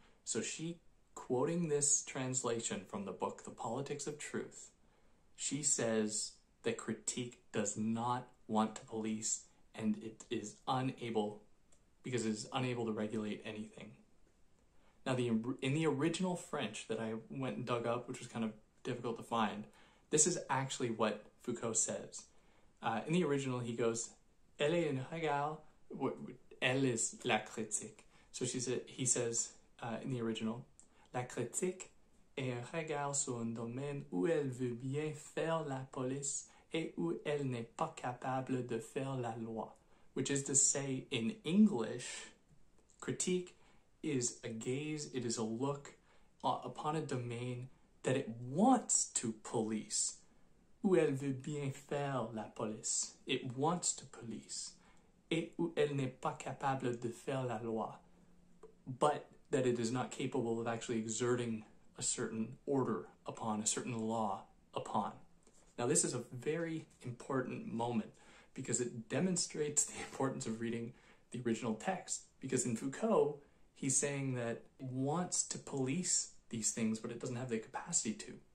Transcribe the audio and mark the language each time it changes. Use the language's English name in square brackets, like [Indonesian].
[English] So she, quoting this translation from the book The Politics of Truth, she says that critique does not want to police, and it is unable, because it is unable to regulate anything. Now, in the original French that I went and dug up, which was kind of difficult to find, this is actually what Foucault says. In the original, he goes, [French] elle est une Hegel, elle is la critique. [English] So in the original, [French] la critique est un regard sur un domaine où elle veut bien faire la police et où elle n'est pas capable de faire la loi. [English] which is to say, in English, critique is a gaze, it is a look upon a domain that it wants to police. [French] Où elle veut bien faire la police. [English] It wants to police. [French] Et où elle n'est pas capable de faire la loi. [English] But that it is not capable of actually exerting a certain order upon, a certain law upon. Now this is a very important moment because it demonstrates the importance of reading the original text. Because in Foucault, he's saying that it wants to police these things, but it doesn't have the capacity to.